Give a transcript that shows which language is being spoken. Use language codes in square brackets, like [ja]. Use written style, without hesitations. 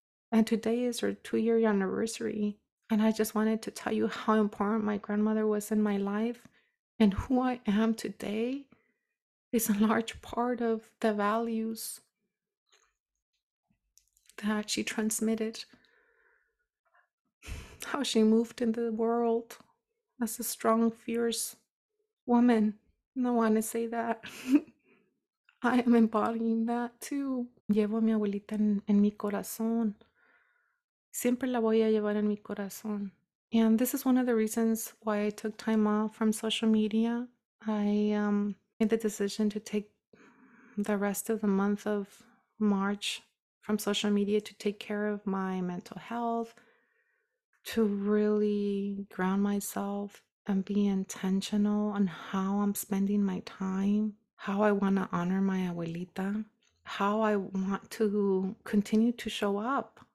[en] And today is her 2-year anniversary. And I just wanted to tell you how important my grandmother was in my life, and who I am today is a large part of the values that she transmitted, how she moved in the world as a strong, fierce woman. And I want to say that I am embodying that too. [es] Llevo a mi abuelita en mi corazón. Siempre la voy a llevar en mi corazón. [en] And this is one of the reasons why I took time off from social media. I made the decision to take the rest of the month of March from social media to take care of my mental health, to really ground myself and be intentional on how I'm spending my time, how I want to honor my abuelita, how I want to continue to show up.